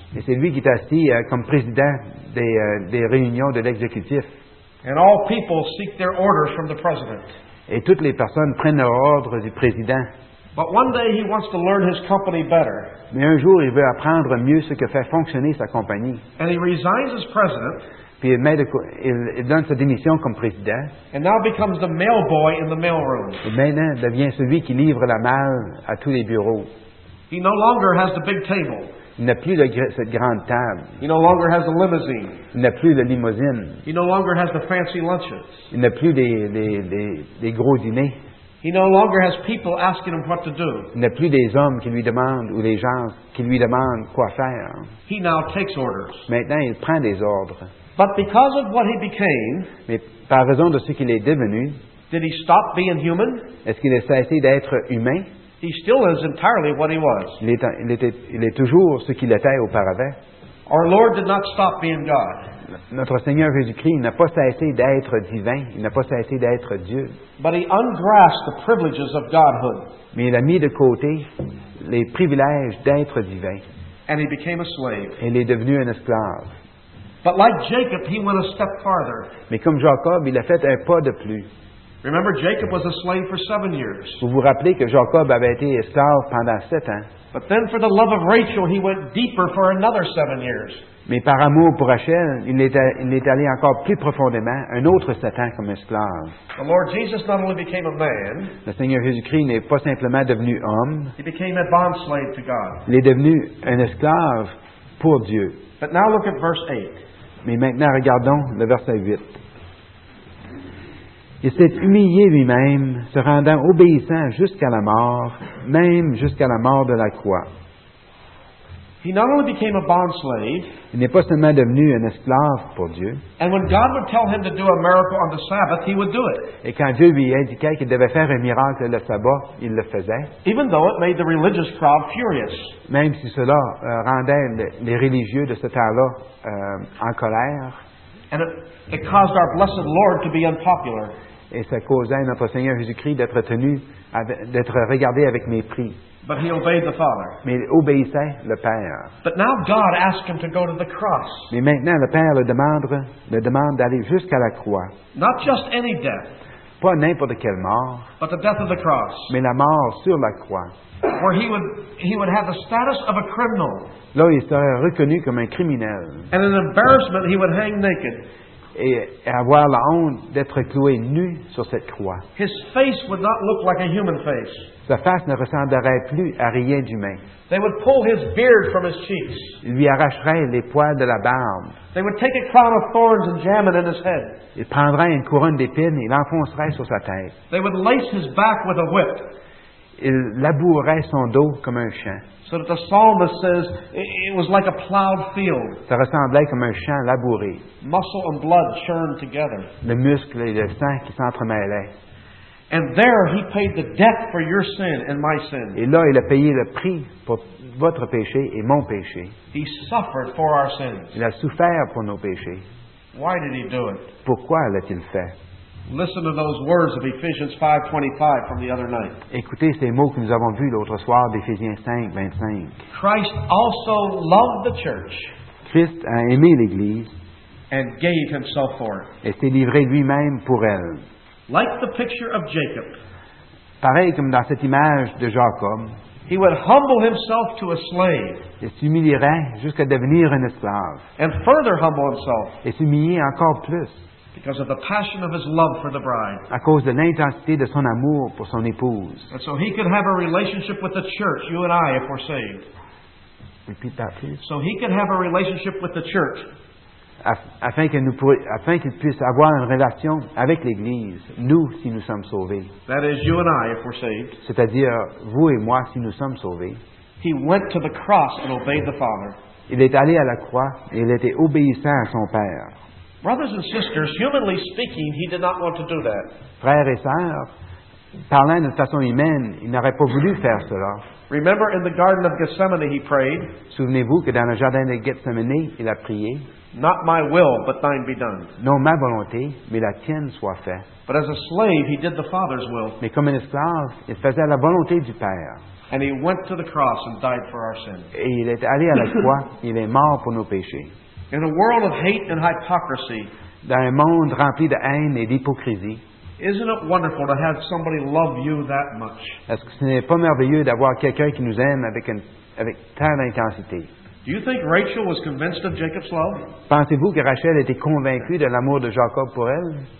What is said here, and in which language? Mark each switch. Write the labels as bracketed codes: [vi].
[fr] Et c'est lui qui est assis comme président des réunions de l'exécutif. [en] And all people seek their orders from the president. [fr] Et toutes les personnes prennent leur ordre du président. [en] But one day he wants to learn his company better. [fr] Mais un jour il veut apprendre mieux ce que fait fonctionner sa compagnie. [en] And he resigns as president. [fr] Puis il donne sa démission comme président. [en] And now becomes the mail boy in the mail room. [fr] Et maintenant, il devient celui qui livre la malle à tous les bureaux. [en] He no longer has the big table. [fr] Il n'a plus cette grande table. [en] He no longer has the limousine. [fr] Il n'a plus la limousine. [en] He no longer has the fancy lunches. [fr] Il n'a plus les gros dîners. [en] He no longer has people asking him what to do. [fr] Il n'a plus des hommes qui lui demandent ou des gens qui lui demandent quoi faire. [en] He now takes orders. [fr] Maintenant, il prend des ordres. [en] But because of what he became, [fr] mais par raison de ce qu'il est devenu, [en] did he stop being human? [fr] Est-ce qu'il a cessé d'être humain? [en] He still is entirely what he was. [fr] Il est toujours ce qu'il était auparavant. [en] Our Lord did not stop being God. [fr] Notre Seigneur Jésus-Christ n'a pas cessé d'être divin. Il n'a pas cessé d'être Dieu. [en] But he ungrasped the privileges of Godhood. [fr] Mais il a mis de côté les privilèges d'être divin. [en] And he became a slave. [fr] Et il est devenu un esclave. [en] But like Jacob, he went a step farther. [fr] Mais comme Jacob, il a fait un pas de plus. [en] Remember, Jacob was a slave for 7 years. [fr] Vous vous rappelez que Jacob avait été esclave pendant 7 ans. [en] But then, for the love of Rachel, he went deeper for another 7 years. [fr] Mais par amour pour Rachel, il est allé encore plus profondément, un autre 7 ans comme esclave. [en] The Lord Jesus not only became a man. [fr] Le Seigneur Jésus-Christ n'est pas simplement devenu homme. [en] He became a bond slave to God. [fr] Il est devenu un esclave pour Dieu. [en] But now look at verse 8. [fr] Mais maintenant regardons le verset 8. Il s'est humilié lui-même, se rendant obéissant jusqu'à la mort, même jusqu'à la mort de la croix. [en] He not only became a bond slave, [fr] il n'est pas seulement devenu un esclave pour Dieu. [en] And when God would tell him to do a miracle on the Sabbath, he would do it. [fr] Et quand Dieu lui indiquait qu'il devait faire un miracle le sabbat, il le faisait. [en] Even though it made the religious crowd furious. [fr] Même si cela rendait les religieux de ce temps-là en colère. [en] And it caused our blessed Lord to be unpopular. [fr] Et ça causait notre Seigneur Jésus-Christ d'être regardé avec mépris. [en] But he obeyed the Father. [fr] Mais il obéissait le Père. [en] But now God asked him to go to the cross. [fr] Mais maintenant le Père le demande d'aller jusqu'à la croix. [en] Not just any death. [fr] Pas n'importe quelle mort. [en] But the death of the cross. [fr] Mais la mort sur la croix. [en] Where he would have the status of a criminal. [fr] Là il serait reconnu comme un criminel. [en] And an embarrassment, he would hang naked. [fr] Et avoir la honte d'être cloué nu sur cette croix. [en] His face would not look like a human face. [fr] Sa face ne ressemblerait plus à rien d'humain. [en] They would pull his beard from his cheeks. [fr] Il lui arracherait les poils de la barbe. [en] They would take a crown of thorns and jam it in his head. [fr] Il prendrait une couronne d'épines et l'enfoncerait sur sa tête. [en] They would lace his back with a whip. [fr] Il labourerait son dos comme un champ. [en] So that the psalmist says it was like a plowed field. [fr] Ça ressemblait comme un champ labouré. [en] Muscle and blood churned together. [fr] Le muscle et le sang qui s'entremêlaient. [en] And there he paid the debt for your sin and my sin. [fr] Et là, il a payé le prix pour votre péché et mon péché. [en] He suffered for our sins. [fr] Il a souffert pour nos péchés. [en] Why did he do it? [fr] Pourquoi l'a-t-il fait? [en] Listen to those words of Ephesians 5:25 from the other night. [fr] Écoutez ces mots que nous avons vus l'autre soir d'Éphésiens 5:25. [en] Christ also loved the church. [fr] Christ a aimé l'église. [en] And gave himself for it. [fr] Et s'est livré lui-même pour elle. [en] Like the picture of Jacob. [fr] Pareil comme dans cette image de Jacob. [en] He would humble himself to a slave. [fr] Il s'humilierait jusqu'à devenir un esclave. [en] And further humble himself. [fr] Et s'humilier encore plus. [en] Because of the passion of his love for the bride. [fr] À cause de l'intensité de son amour pour son épouse. [en] And so he could have a relationship with the church, you and I, if we're saved. Repeat that, please. So he could have a relationship with the church. [fr] Afin qu'il puisse avoir une relation avec l'Église, nous, si nous sommes sauvés. [en] That is you and I, if we're saved. [fr] C'est-à-dire, vous et moi, si nous sommes sauvés. [en] He went to the cross and obeyed the Father. [fr] Il est allé à la croix et il était obéissant à son Père. [en] Brothers and sisters, humanly speaking, he did not want to do that. [fr] Frères et sœurs, parlant de façon humaine, il n'aurait pas voulu faire cela. [en] Remember in the Garden of Gethsemane he prayed. [fr] Souvenez-vous que dans le jardin de Gethsemane, il a prié. [en] Not my will, but thine be done. [fr] Non ma volonté, mais la tienne soit faite. [en] But as a slave, he did the Father's will. [fr] Mais comme un esclave, il faisait la volonté du Père. [en] And he went to the cross and died for our sins. [fr] Et il est allé à la croix, il est mort pour nos péchés. [en] In a world of hate and hypocrisy, [fr] dans un monde rempli de haine et d'hypocrisie, [en] isn't it wonderful to have somebody love you that much? [fr] Est-ce que ce n'est pas merveilleux d'avoir quelqu'un qui nous aime avec tant d'intensité? [en] Do you think Rachel was convinced of Jacob's love? [fr] Pensez-vous que Rachel était convaincue de l'amour de Jacob pour elle?